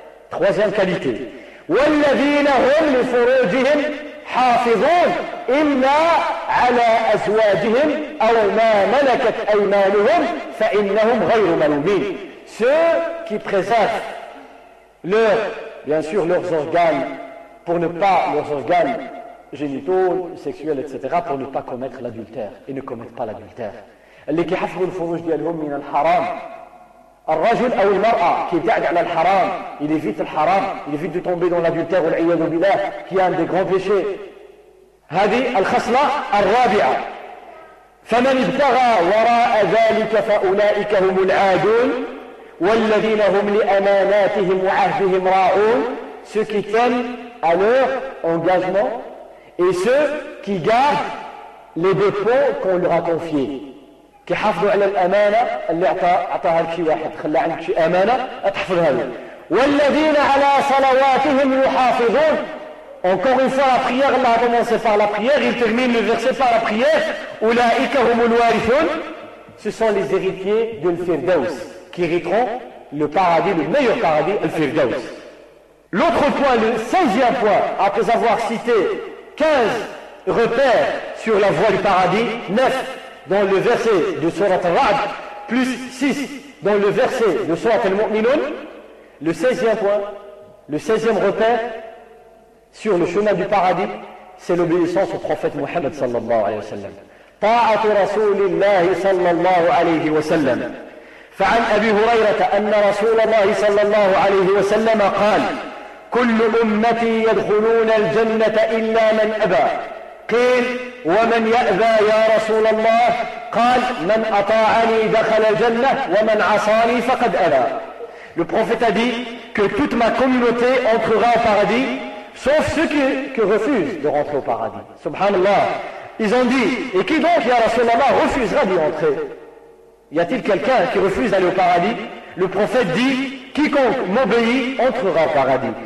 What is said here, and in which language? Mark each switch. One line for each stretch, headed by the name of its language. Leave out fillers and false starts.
French: Troisième qualité.
Arabic: وَالَّذِينَ هُمْ لِفُرُوجِهِمْ حَافِظُونَ إِلَّا عَلَى أَزْوَاجِهِمْ أَوْ مَا مَلَكَتْ أَيْمَانُهُمْ فَإِنَّهُمْ غَيْرُ مَلُومِينَ.
French: Ceux qui préservent leurs, bien sûr, leurs organes, pour ne pas, leurs organes génitaux, sexuels, etc., pour ne pas commettre l'adultère. Ils ne commettent pas l'adultère.
Arabic: اللي كيحفظ الفروج ديالهم من الحرام. الرجل أو المرأة كي يبتعد على الحرام
French: il évite le haram, il évite de tomber dans l'adultère ou l'ayyad ou bilah, qui est un des grands péchés.
Arabic: هذه الخصلة الرابعة. فمن ابتغى وراء ذلك فأولئك هم العادون والذين هم لأماناتهم وعهدهم راعون.
French: Ceux qui tiennent à leur engagement et ceux qui gardent les dépôts qu'on leur a confiés.
Arabic: كي حافظوا على الأمانة اللي أعطاها لك شي واحد خلى عندك شي أمانة أتحفظها لك. والذين على صلواتهم يحافظون.
French: Encore une fois la prière, Allah a commencé par la prière, il termine le verset par la prière.
Arabic: أولئك هم الوارثون.
French: Ce sont les héritiers de l'Firdaus qui hériteront le paradis, le meilleur paradis, l'Firdaus. L'autre point, le 16e point, après avoir cité 15 repères sur la voie du paradis, 9 dans le verset de Surat Al-Ra'd, plus 6 dans le verset de Surat Al-Mu'minun, le 16e point, le 16e repère sur le chemin du paradis, c'est l'obéissance au prophète Mohammed sallallahu alayhi wa sallam.
Arabic: طاعة رسول الله صلى الله عليه وسلم. فعن أبي هريرة أن رسول الله صلى الله عليه وسلم قال كل أمتي يدخلون الجنة إلا من أبى. قيل ومن يأبى يا رسول الله؟ قال من أطاعني دخل الجنة ومن عصاني فقد أبى.
French: Le prophète a dit que toute ma communauté entrera au paradis sauf ceux qui refusent de rentrer au paradis. Subhanallah. Ils ont dit, et qui donc, ya Rasulallah, refusera d'y entrer? Y a-t-il quelqu'un qui refuse d'aller au paradis? Le prophète dit, quiconque m'obéit entrera au paradis.